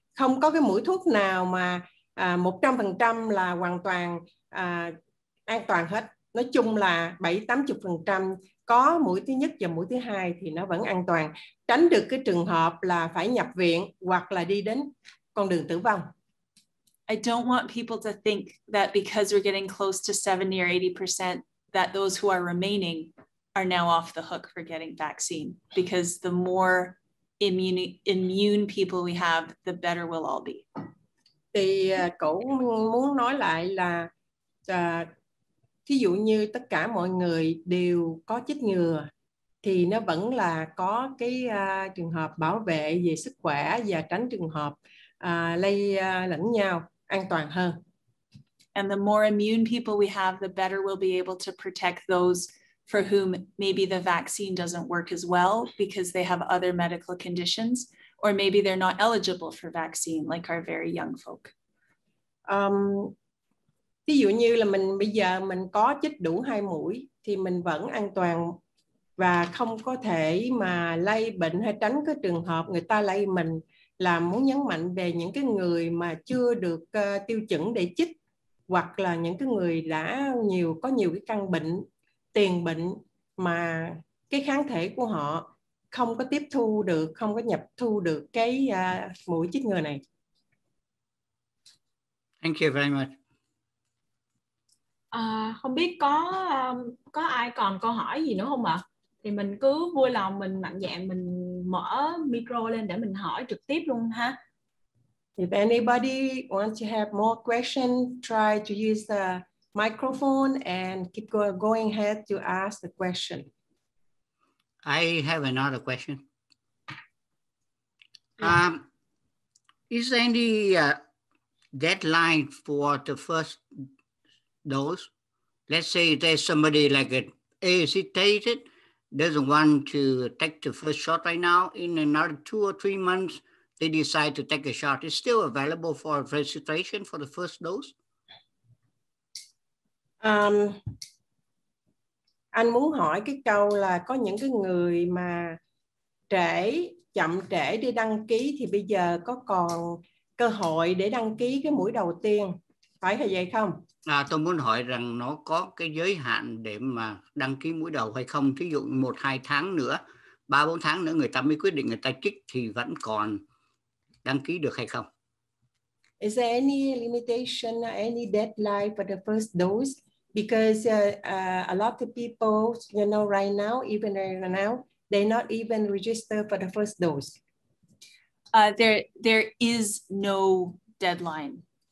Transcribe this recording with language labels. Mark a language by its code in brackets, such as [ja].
[vi] Không có cái mũi thuốc nào mà 100% là hoàn toàn an toàn hết. Nói chung là 70-80% có mũi thứ nhất và mũi thứ hai thì nó vẫn an toàn. Tránh được cái trường hợp là phải nhập viện hoặc là đi đến con đường tử vong. [en] I don't want people to think that because we're getting close to 70 or 80%, that those who are remaining are now off the hook for getting vaccine, because the more immune people we have, the better we'll all be. [vi] Thì cổ muốn nói lại là thí dụ như tất cả mọi người đều có chích ngừa thì nó vẫn là có cái trường hợp bảo vệ về sức khỏe và tránh trường hợp lây lẫn nhau an toàn hơn. [en] And the more immune people we have, the better we'll be able to protect those for whom maybe the vaccine doesn't work as well because they have other medical conditions, or maybe they're not eligible for vaccine, like our very young folk. [vi] Ví dụ như là mình bây giờ mình có chích đủ hai mũi thì mình vẫn an toàn và không có thể mà lây bệnh hay tránh cái trường hợp người ta lây mình, là muốn nhấn mạnh về những cái người mà chưa được tiêu chuẩn để chích, hoặc là những cái người đã nhiều có nhiều cái căn bệnh tiền bệnh mà cái kháng thể của họ không có tiếp thu được, không có nhập thu được cái mũi chích ngừa này. [en] Thank you very much. [vi] Không biết có ai còn câu hỏi gì nữa không ạ? Thì mình cứ vui lòng mình mạnh dạn mình mở micro lên để mình hỏi trực tiếp luôn ha. [en] If anybody wants to have more questions, try to use the microphone and keep going ahead to ask the question. I have another question. Yeah. Is there any deadline for the first dose? Let's say there's somebody like hesitated, doesn't want to take the first shot right now. In another 2 or 3 months, they decide to take a shot. It's still available for registration for the first dose? [vi] Anh muốn hỏi cái câu là có những cái người mà chậm trễ đi đăng ký thì bây giờ có còn cơ hội để đăng ký cái mũi đầu tiên, phải hay vậy không? Tôi muốn hỏi rằng nó có cái giới hạn để mà đăng ký mũi đầu hay không? Thí dụ 1-2 tháng nữa, 3-4 tháng nữa người ta mới quyết định người ta chích thì vẫn còn đăng ký được hay không? [en] Is there any limitation, any deadline for the first dose? Because a lot of people, you know, right now, even right now, they're not even registered for the first dose. There is no deadline.